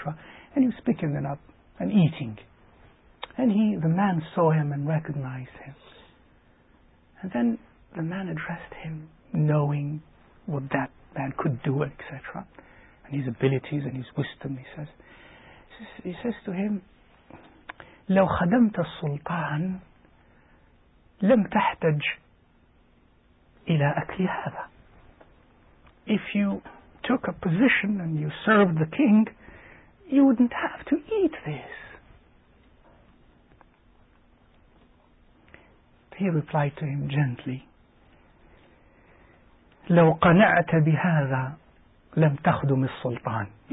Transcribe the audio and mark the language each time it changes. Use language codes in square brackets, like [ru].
[en] And he was picking them up and eating. And the man saw him and recognized him. And then the man addressed him, knowing what that man could do, etc., and his abilities and his wisdom, he says. He says to him, [ar] لو خدمت السلطان لم تحتج إلى أكل هذا. [en] If you took a position and you served the king, you wouldn't have to eat this. He replied to him gently, [ar] لو قنعت بهذا لم تخدم السلطان.